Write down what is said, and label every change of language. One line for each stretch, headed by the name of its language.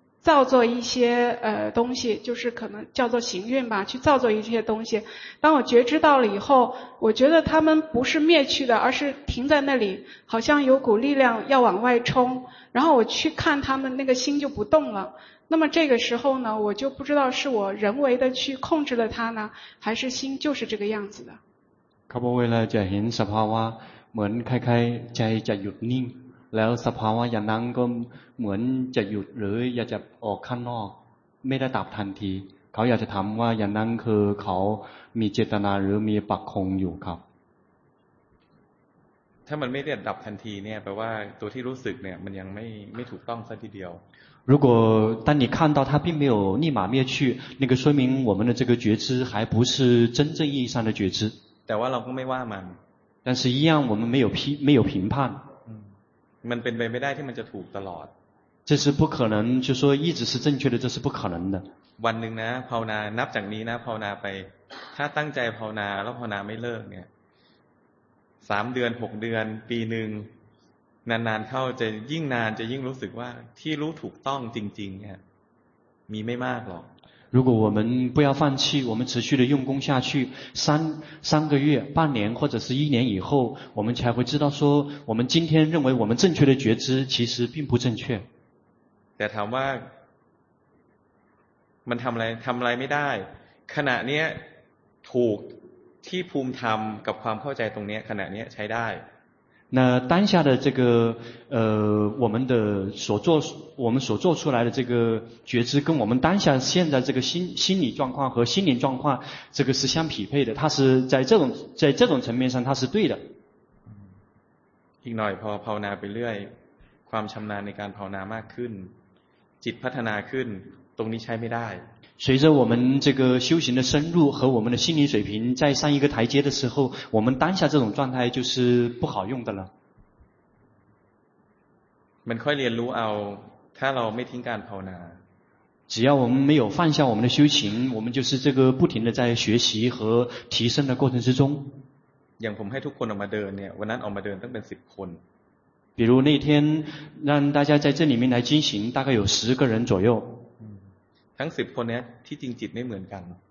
Chinese: 造作一些东西就是可能叫做行运吧去造作一些东西当我觉知到了以后我觉得他们不是灭去的而是停在那里好像有股力量要往外冲然后我去看他们那个心就不动了那么这个时候呢我就不知道是我人为的去控制了它呢还是心就是这个样子的
Thai: เขาบอกเวลาจะเห็นสภาวะเหมือนคล้ายๆใจจะหยุดนิ่งแล้วสภาวะอย่างนั้นก็เหมือนจะหยุดหรืออยากจะออกข้างนอกไม่ได้ตับทันทีเขาอยากจะถามว่าอย่างนั้นคือเขามีเจตนาหรือมีปักคงอยู่ครับ ถ้ามันไม่ได้ดับทันทีเนี่ยแปลว่าตัวที่รู้สึกเนี่ยมันยังไม่ถูกต้องซะทีเดียว
Chinese: 如果当你看到它并没有立马灭去那个说明我们的这个觉知还不是真正意义上的觉知
Thai: แต่ว่าเราก็ไม่ว่ามัน
Chinese: 但是一样我们没有评判
Thai: มันเป็นไปไม่ได้ที่มันจะถูกตลอด
Chinese: 这是不可能就说一直是正确的这是不可能的
Thai: วันหนึ่งนะภาวนานับจากนี้นะภาวนาไปถ้าตั้งใจภาวนาแล้วภาวนาไม่เลิกเนี่ย3เดือน6เดือนปีนึงนานๆเข้าจะยิ่งนานจะยิ่งรู้สึกว่าที่รู้ถูกต้องจริงๆเนี่ยมีไม่มากหรอก
Chinese: 如果我们不要放弃我们持续的用功下去三个月半年或者是一年以后我们才会知道说我们今天认为我们正确的觉知其实并不正确
Thai: แต่ถามว่ามันทำอะไรไม่ได้ขณะนี้ถูกที่ภูมิธรรมกับความเข้าใจตรงนี้ขณะนี้ใช้ได้
Chinese: 那当下的这个我们的所做出来的这个觉知跟我们当下现在这个心理状况和心灵状况这个是相匹配的它是在这种层面上它是对的
Thai: อีกหน่อยพอภาวนาไปเรื่อยความชำนาญในการภาวนามากขึ้นจิตพัฒนาขึ้นตรงนี้ใช้ไม่ได้
Chinese: 随着我们这个修行的深入和我们的心理水平再上一个台阶的时候我们当下这种状态就是不好用的了
Thai: มันค่อยเรียนรู้เอาถ้าเราไม่ทิ้งการภาวนา
Chinese: 只要我们没有放下我们的修行我们就是这个不停的在学习和提升的过程之中
Thai: อย่างผมให้ทุกคนออกมาเดินเนี่ยวันนั้นออกมาเดินตั้งเป็น10คน
Chinese: 比如那天让大家在这里面来进行大概有10个人左右
Thai: ทั้ง10คนนี้ที่จริงจิตไม่เหมือนกัน